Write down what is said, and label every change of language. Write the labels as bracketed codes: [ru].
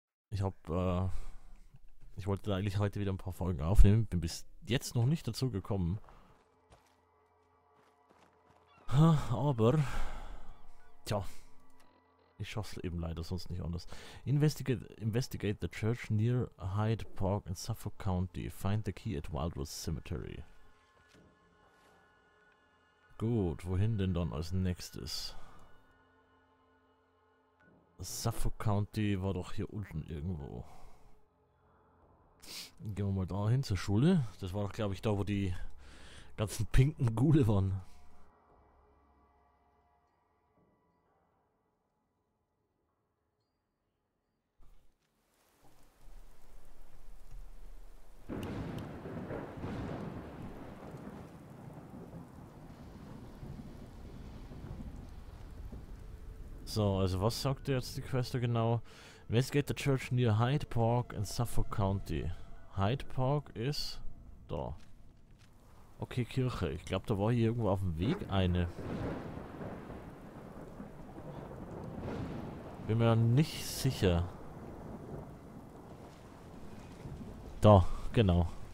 [de] Ich hab, ich wollte eigentlich heute wieder ein paar Folgen aufnehmen, bin bis jetzt noch nicht dazu gekommen. Aber, tja, ich schaff's eben leider sonst nicht anders. [en] Investigate the church near Hyde Park in Suffolk County. Find the key at Wildwood Cemetery. [de] Gut, wohin denn dann als nächstes? Suffolk County war doch hier unten irgendwo. Gehen wir mal da hin zur Schule. Das war doch, glaube ich, da, wo die ganzen pinken Ghule waren. So, also was sagt jetzt die Quester genau? [en] Investigate the church near Hyde Park in Suffolk County. [de] Hyde Park ist da. Okay, Kirche. Ich glaube, da war hier irgendwo auf dem Weg eine. Bin mir nicht sicher. Da, genau.